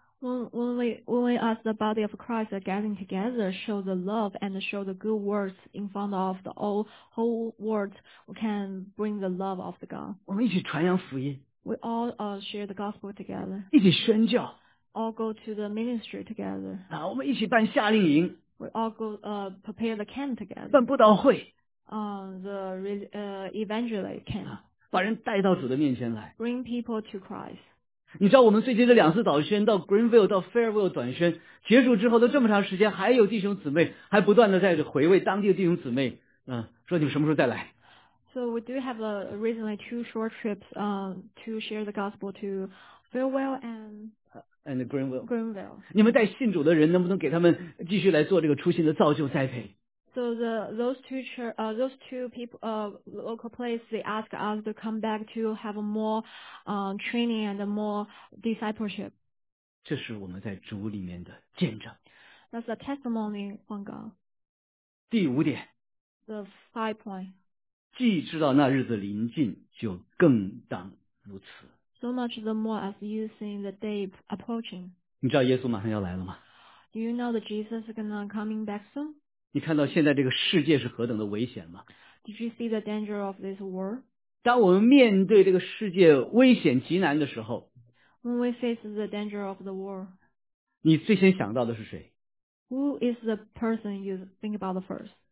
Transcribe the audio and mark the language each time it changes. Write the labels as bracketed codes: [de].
[en] When we ask the body of Christ gathering together, show the love and show the good works in front of the whole world, we can bring the love of the God. [zh] 我们一起传扬福音。 [en] We all share the gospel together. [zh] 一起宣教。 [en] All go to the ministry together. [zh] 啊，我们一起办夏令营。 [en] We all go prepare the camp together. [zh] 办布道会。 [en] Evangelist camp. [zh] 把人带到主的面前来。 [en] Bring people to Christ. [zh] 你知道我们最近的两次早宣，到 Greenville 到 Fairville 短宣结束之后的这么长时间，还有弟兄姊妹还不断的在回味当地的弟兄姊妹，说你们什么时候再来。 [en] So we do have a recently two short trips to share the gospel to Fairville and Greenville. [zh] 你们带信主的人能不能给他们继续来做这个初心的造就栽培。 [en] So those two people, local place, they ask us to come back to have more training and more discipleship. [zh] 这是我们在主里面的见证。 [en] That's a testimony from God. [zh] 第五点。 [en] The five point. [zh] 既知道那日子临近，就更当如此。 [en] So much the more as you see the day approaching. [zh] 你知道耶稣马上要来了吗？ [en] Do you know that Jesus is gonna coming back soon? [zh] 你看到现在这个世界是何等的危险吗？ [en] Did you see the danger of this world? [zh] 当我们面对这个世界危险极难的时候， [en] When we face the danger of the world, [zh] 你最先想到的是谁？ [en] Who is the person you think about first?